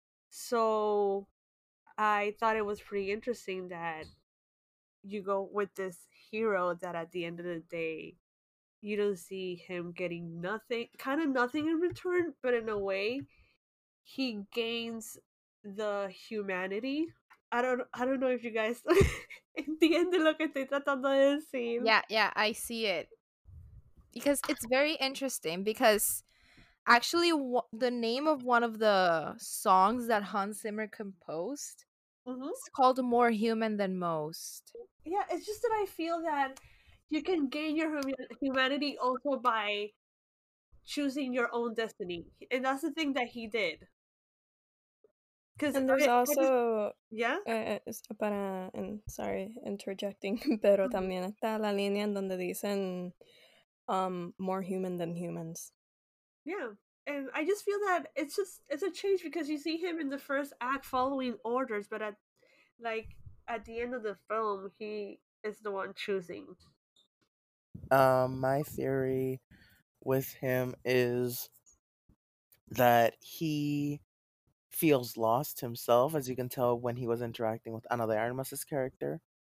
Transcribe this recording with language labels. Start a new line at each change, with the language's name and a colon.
English: So I thought it was pretty interesting that you go with this hero that at the end of the day, you don't see him getting nothing, kind of nothing in return, but in a way, he gains the humanity. I don't know if you guys
Spanish: entiende lo que estoy tratando de decir.
English: Yeah, I see it. Because it's very interesting, because actually the name of one of the songs that Hans Zimmer composed, mm-hmm, is called More Human Than Most. Yeah, it's just that I feel that you can gain your humanity also by choosing your own destiny. And that's the thing that he did. And there's also, yeah,
Spanish: para,
English: and sorry, interjecting,
Spanish: pero también está la línea en donde dicen,
English: more human than humans. Yeah, and I just feel that it's a change because you see him in the first act following orders, but at the end of the film, he is the one choosing. My theory with him is that he feels lost himself, as you can tell when he was interacting with Ana de Armas's character.